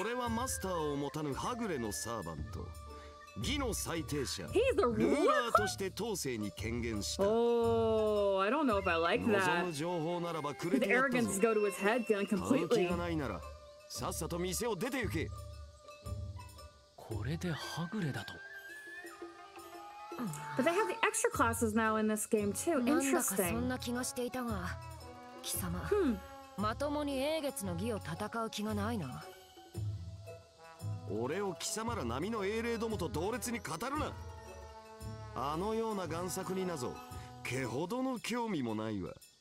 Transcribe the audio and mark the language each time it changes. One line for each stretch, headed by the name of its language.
Japanese: 俺はマスターを持たぬハグレのサーバント、義の最低者、
English: He's a ruler?
Japanese: ルーラーとして統制に権限した。
English: Oh, I don't know if I like that.
Japanese: 望む情報ならばくれてやったぞ。
English: His arrogance go to his head feeling completely.
Japanese: 買う気がないならさっさと店を出て行け。これでハグレだと。
English: But they have the extra classes now in this game too. Interesting.
Japanese: なんだかそんな気がしていたが、貴様、まともに英月の儀を戦う気がないな。俺を貴様ら並の英霊どもと同列に語るな。あのような贋作になぞけほどの興味もないわ。